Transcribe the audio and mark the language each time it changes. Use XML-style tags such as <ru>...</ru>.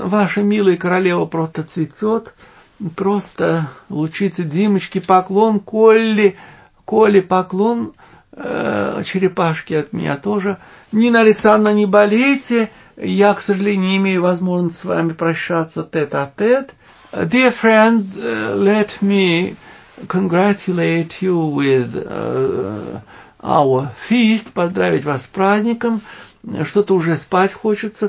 <ru>Ваша милая королева просто цветет. Просто лучится Димочке поклон. Колли поклон. Черепашки от меня тоже. Нина Александровна, не болейте. Я, к сожалению, не имею возможности с вами прощаться тет-а-тет.</ru> <en>Dear friends, let me congratulate you with our feast.</en> <ru>Поздравить вас с праздником. Что-то уже спать хочется.</ru>